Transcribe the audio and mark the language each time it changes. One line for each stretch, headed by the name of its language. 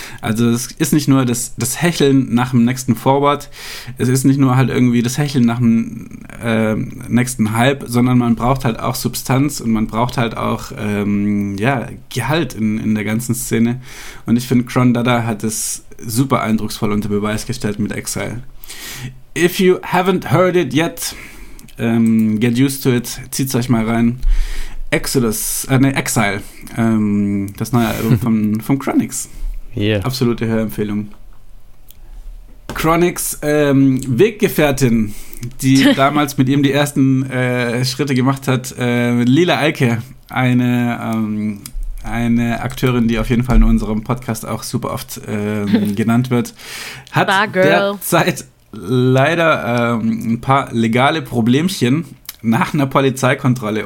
German: Also es ist nicht nur das Hecheln nach dem nächsten Forward, es ist nicht nur halt irgendwie das Hecheln nach dem nächsten Hype, sondern man braucht halt auch Substanz und man braucht halt auch Gehalt in der ganzen Szene. Und ich finde, Kron Dada hat es super eindrucksvoll unter Beweis gestellt mit Exile.
English: If you haven't heard it yet, get used to it.
German: Zieht's euch mal rein. Exile. Das neue Album von Chronix. Yeah. Absolute Hörempfehlung. Chronix, Weggefährtin, die damals mit ihm die ersten Schritte gemacht hat. Lila Eike, eine Akteurin, die auf jeden Fall in unserem Podcast auch super oft genannt wird, hat derzeit leider ein paar legale Problemchen nach einer Polizeikontrolle.